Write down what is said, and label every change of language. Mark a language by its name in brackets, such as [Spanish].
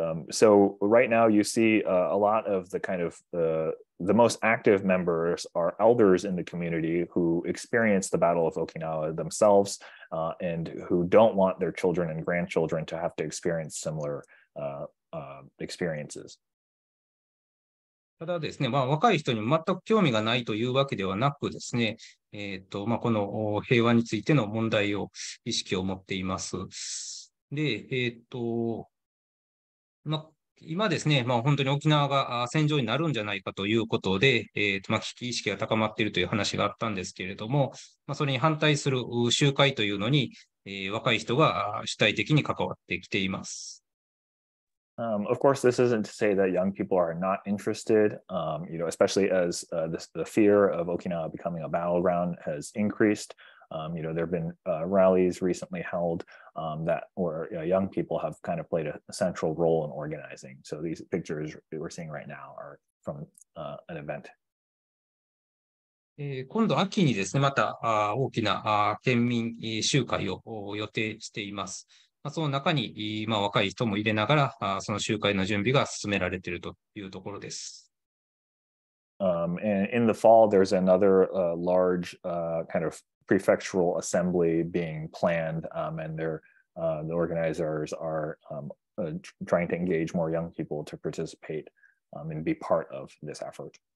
[English] So right now you see a lot of the kind of the most active members are elders in the community who experienced the Battle of Okinawa themselves and who don't want their children and grandchildren to have to experience similar experiences. [Japanese] ただですね、まあ、若い人に全く興味がないというわけではなくですね、まあ、この平和についての問題を意識を持っています。で、まあ、今ですね、まあ、本当に沖縄が戦場になるんじゃないかということで、まあ、危機意識が高まっているという話があったんですけれども、まあ、それに反対する集会というのに、若い人が主体的に関わってきています。 [English] Of course, this isn't to say that young people are not interested, you know, especially as the fear of Okinawa becoming a battleground has increased. You know, there have been rallies recently held that where you know, young people have kind of played a central role in organizing. So these pictures that we're seeing right now are from an event. [Japanese] 今度秋にですね、また大きな県民集会を予定しています。その中に、まあ、若い人も入れながら、その集会の準備が進められているというところです。 [English] And in the fall, there's another large kind of prefectural assembly being planned, and the organizers are trying to engage more young people to participate and be part of this effort.